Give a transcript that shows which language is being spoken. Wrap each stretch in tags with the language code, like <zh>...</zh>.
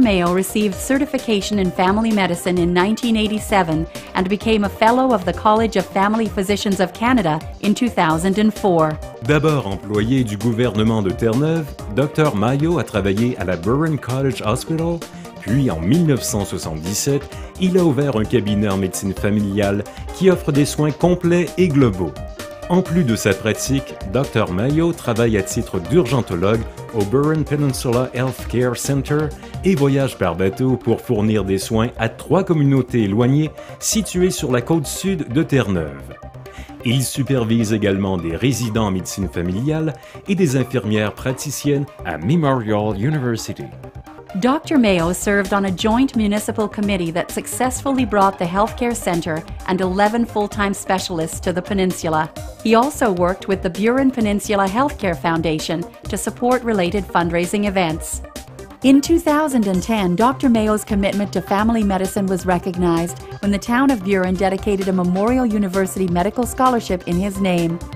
<en>Mayo received certification in family medicine in 1987 and became a fellow of the College of Family Physicians of Canada in 2004.</en> <fr>D'abord employé du gouvernement de Terre-Neuve, Dr. Mayo a travaillé à la Buren College Hospital, puis en 1977, il a ouvert un cabinet en médecine familiale qui offre des soins complets et globaux. En plus de sa pratique, Dr. Mayo travaille à titre d'urgentologue au Buren Peninsula Health Care Center et voyage par bateau pour fournir des soins à trois communautés éloignées situées sur la côte sud de Terre-Neuve. Il supervise également des résidents en médecine familiale et des infirmières praticiennes à Memorial University.</fr> <en>Dr. Mayo served on a joint municipal committee that successfully brought the healthcare center and 11 full-time specialists to the peninsula. He also worked with the Buren Peninsula Healthcare Foundation to support related fundraising events. In 2010, Dr. Mayo's commitment to family medicine was recognized when the town of Buren dedicated a Memorial University Medical Scholarship in his name.</en>